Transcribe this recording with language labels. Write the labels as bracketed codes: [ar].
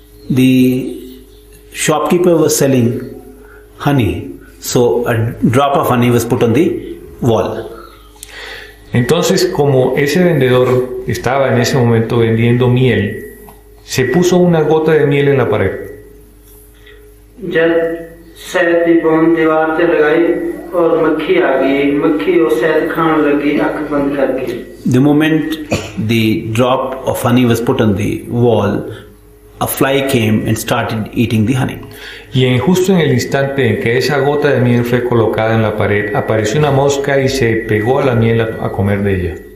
[en] The shopkeeper was selling honey, so a drop of honey was put on the wall. [es] Entonces, como ese vendedor estaba en ese momento vendiendo miel, se puso una gota de miel en la pared. [en] The moment the drop of honey was put on the wall, a fly came and started eating the honey. [es] Y en justo en el instante en que esa gota de miel fue colocada en la pared, apareció una mosca y se pegó a la miel a comer de ella.